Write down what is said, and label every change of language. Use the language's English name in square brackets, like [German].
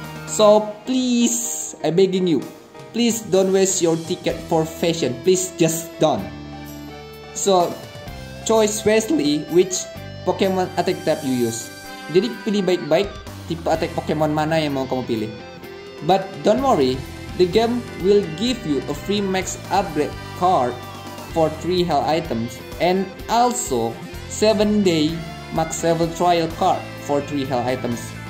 [English] So please, I'm begging you, please don't waste your ticket for fashion. Please just don't. So choose wisely which Pokemon attack type you use. [Indonesian] Jadi pilih baik-baik tipe attack Pokemon mana yang mau kamu pilih. [English] But don't worry, the game will give you a free max upgrade card for 3 health items and also 7 day max level trial card for 3 health items.